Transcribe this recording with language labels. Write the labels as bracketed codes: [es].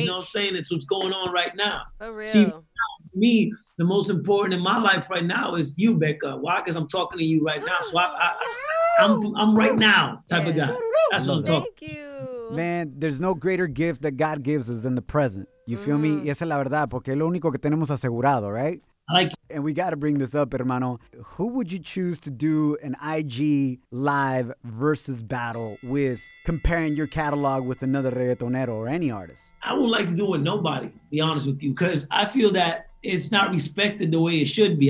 [en] You know what I'm saying? It's what's going on right now. For real. See, to me, the most important in my life right now is you, Becca. Why? Because I'm talking to you right now. So I'm right now type of guy. That's what I'm talking. Thank you. Man, there's no greater gift that God gives us than the present. You feel me? [es] Y esa es la verdad, porque es lo único que tenemos asegurado, [en] right? Like, and we got to bring this up, [es] hermano. [en] Who would you choose to do an IG live versus battle with, comparing your catalog with another reggaetonero or any artist? I would like to do it with nobody, to be honest with you, because I feel that it's not respected the way it should be.